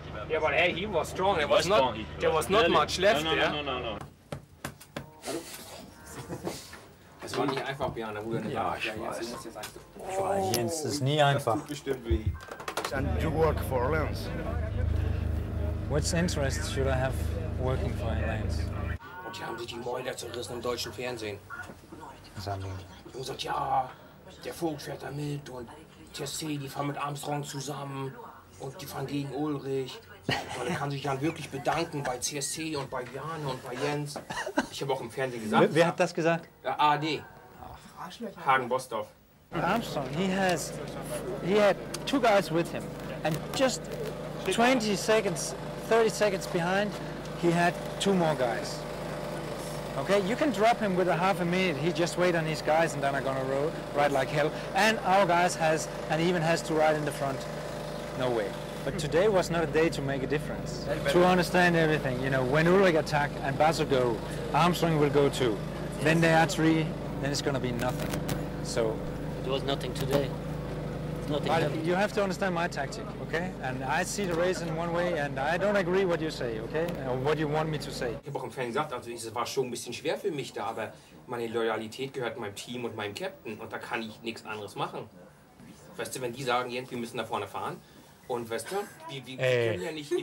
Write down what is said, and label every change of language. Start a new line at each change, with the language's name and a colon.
English: Yeah, but hey, he was strong. He was strong. There was not much left there.
German: No. Es war nicht einfach, Björn. Ja, ich weiß. Jens, es ist nie einfach.
English: And you work for Lance. Which interest should I have working for Lance?
German: Und die haben sich die Mäuler zerrissen im deutschen Fernsehen. Sammeln. Und sagt, ja, der Voigt fährt da mit und CSC, die fahren mit Armstrong zusammen und die fahren gegen Ulrich. Und er kann sich dann wirklich bedanken bei CSC und bei Jan und bei Jens. Ich habe auch im Fernsehen gesagt. Wer hat das gesagt? Der AD. Hagen Bostorff.
English: Armstrong, he had 2 guys with him. And just 20 seconds, 30 seconds behind, he had 2 more guys. Okay, you can drop him with a 30 seconds. He just wait on his guys, and then are gonna ride like hell. And our guys has, and even has to ride in the front. No way. But today was not a day to make a difference. To understand everything, you know, when Ulrich attack and Basso go, Armstrong will go too. Then they are 3. Then it's gonna be nothing. So it was nothing today. Nothing. But you have to understand my tactic, okay? And I see the race in one way, and I don't agree what you say, okay? Or what you want me to say.
German: Ich habe auch im Fernsehen gesagt, also es war schon ein bisschen schwer für mich da, aber meine Loyalität gehört meinem Team und meinem Captain, und da kann ich nichts anderes machen. Weißt du, wenn die sagen, Jens, wir müssen da vorne fahren, und weißt du, wir können ja nicht.